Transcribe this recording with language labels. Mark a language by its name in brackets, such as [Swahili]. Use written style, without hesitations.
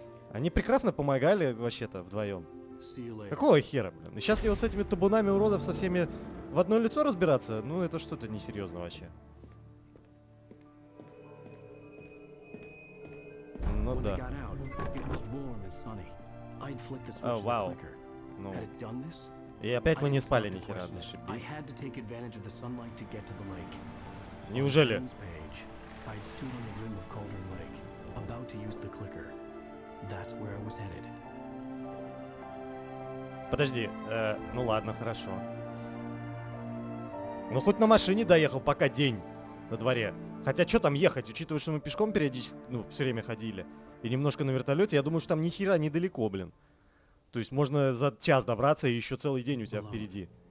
[Russian] Они прекрасно помогали вообще-то вдвоем. Какого хера, блин? И сейчас мне вот с этими табунами уродов со всеми в одно лицо разбираться? Ну это что-то несерьезно вообще. Ну да. [English] It was warm and sunny. I had flicked the switch of the clicker. Had it done this? [Russian] И опять мы не спали ни хера, зашибись. [English] I had to take advantage of the sunlight to get to the lake. [Russian] Неужели? [English] I had stood on the rim of Cauldron Lake, about to use the clicker. That's where I was headed. [Russian] Подожди, ну ладно, хорошо. Ну хоть на машине доехал, пока день на дворе. Хотя что там ехать, учитывая, что мы пешком периодически, ну, все время ходили. И немножко на вертолете, я думаю, что там ни хера недалеко, блин. То есть можно за час добраться, и еще целый день у тебя впереди.